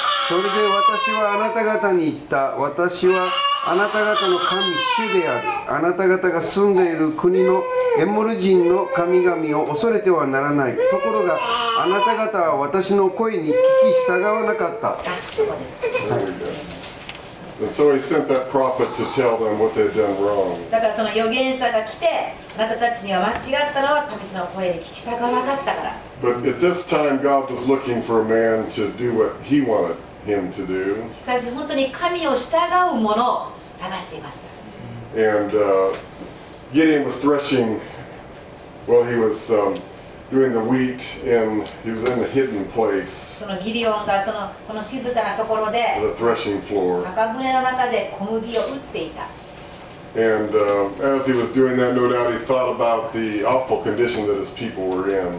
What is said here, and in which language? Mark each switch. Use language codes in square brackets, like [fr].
[ja] それで私はあなた方に言った、私はあなた方の神主である、あなた方が住んでいる国のエモル人の神々を恐れてはならない、ところがあなた方は私の声に聞き従わなかった。 [en] And so he sent that prophet to tell them what they had done wrong. [ja] だからその預言者が来て、あなたたちには間違ったのは神様の声に聞き従わなかったから。 [en] But at this time, God was looking for a man to do what he wanted him to do. [ja] しかし本当に神を従う者を探していました。 [en] And Gideon was threshing, well, he was doing the wheat, and he was in a hidden place. [ja] そのギディオンがそのこの静かなところで、 [en] the threshing floor. [ja] 酒蔵の中で小麦を打っていた。 [en] And as he was doing that, no doubt he thought about the awful condition that his people were in.